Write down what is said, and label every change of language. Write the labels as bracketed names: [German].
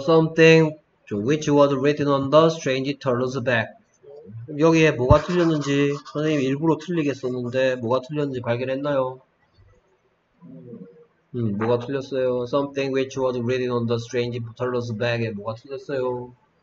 [English] Something which was written on the strange turtle's back. [Korean] 여기에 뭐가 틀렸는지 선생님이 일부러 틀리게 썼는데 뭐가 틀렸는지 발견했나요? 뭐가 틀렸어요? [English] Something which was written on the strange butler's bag [Korean] 에 뭐가 틀렸어요?